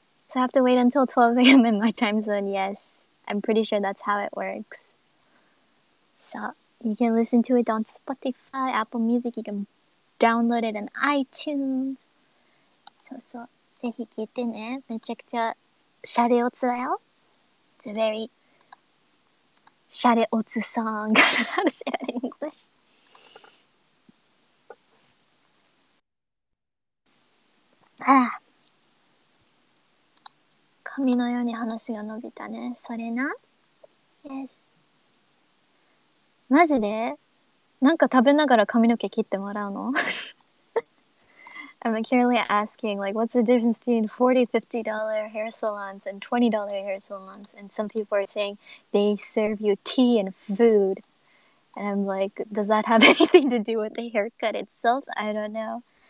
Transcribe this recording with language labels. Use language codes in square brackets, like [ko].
[en] So I have to wait until 12 a.m. in my time zone, yes. I'm pretty sure that's how it works. So you can listen to it on Spotify, Apple Music, you can download it on iTunes. [ja] そうそう、ぜひ聞いてね。めちゃくちゃシャレオツだよ。 [en] It's a very シャレオツ song. I don't know how to say that in English. [ja] ああ、髪のように話が伸びたね。それな。 [en] Yes. [ja] マジで？なんか食べながら髪の毛切ってもらうの？ [en] I'm currently asking, like, what's the difference between $40-$50 hair salons and $20 hair salons? And some people are saying they serve you tea and food. And I'm like, does that have anything to do with the haircut itself? I don't know.